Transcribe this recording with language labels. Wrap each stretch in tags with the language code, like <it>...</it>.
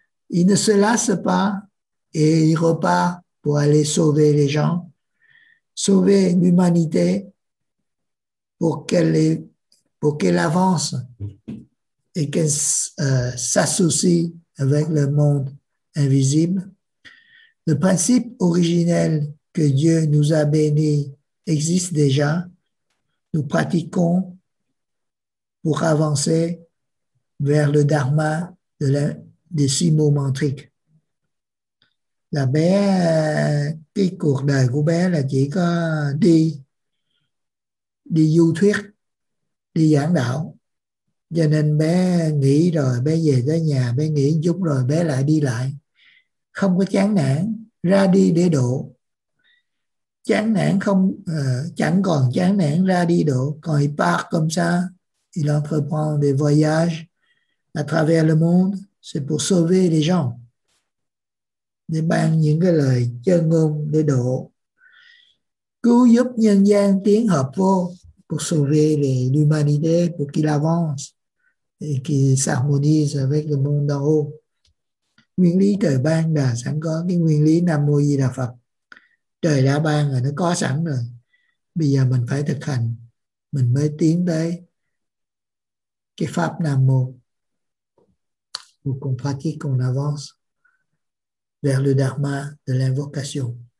<fr>Il ne se lasse pas et il repart pour aller sauver les gens, sauver l'humanité pour qu'elle avance et qu'elle s'associe avec le monde invisible. Le principe originel que Dieu nous a béni existe déjà. Nous pratiquons pour avancer vers le dharma des six mots mantriques.</fr> <vi>Là bé, cái cuộc đời của bé là chỉ có đi du thuyết, đi giảng đạo. Cho nên bé nghỉ rồi, bé về tới nhà, bé nghỉ một chút rồi, bé lại đi lại. Không có chán nản, ra đi để độ. Chán nản không, chẳng còn chán nản ra đi độ.</vi> <fr>Còn il part comme ça, il entreprend des voyages à travers le monde, c'est pour sauver les gens.</fr> <vi>Để ban những cái lời chân ngôn để độ. Cứu giúp nhân gian tiến hợp vô,</vi> <fr>pour sauver l'humanité, pour qu'il avance et qu'il s'harmonise avec le monde d'en haut.</fr> <vi>Nguyên lý trời ban đã sẵn có, cái nguyên lý Nam Mô Di Đà Phật. Trời đã ban rồi, nó có sẵn rồi. Bây giờ mình phải thực hành, mình mới tiến tới cái pháp Nam Mô.</vi> <fr>Pour qu'on pratique, qu'on avance vers le dharma de l'invocation.</fr>